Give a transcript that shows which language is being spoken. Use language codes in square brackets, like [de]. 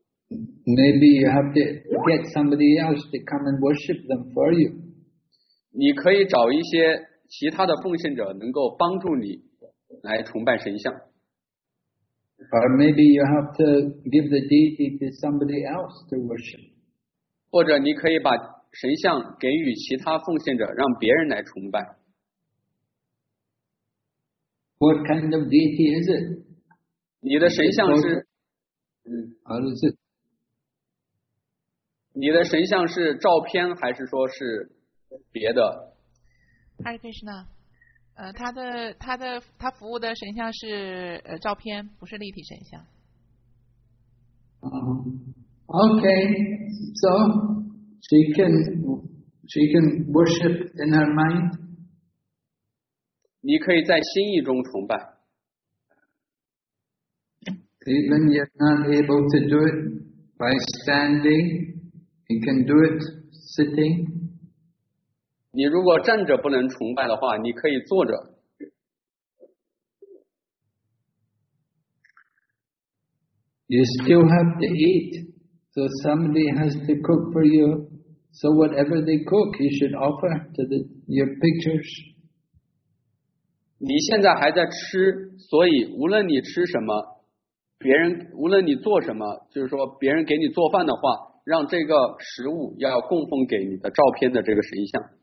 [en] Maybe you have to get somebody else to come and worship them for you. [zh] 你可以找一些其他的奉献者能够帮助你来崇拜神像。 [en] Or maybe you have to give the deity to somebody else to worship. [zh] 或者你可以把神像给予其他奉献者，让别人来崇拜。 [en] What kind of deity is it? [zh] 你的神像是？ [en] How is it? [zh] 你的神像是照片还是说是别的？ Hare Krishna， 他服务的神像是照片，不是立体神像。 [en] Okay, so she can worship in her mind. [zh] 你可以在心意中崇拜。 [en] Even if you're not able to do it by standing, you can do it sitting. [zh] 你如果站着不能崇拜的话，你可以坐着。 [en] You still have to eat, so somebody has to cook for you. So whatever they cook, you should offer to your pictures. [zh] 你现在还在吃，所以无论你吃什么，别人无论你做什么，就是说别人给你做饭的话，让这个食物要供奉给你的照片的这个神像。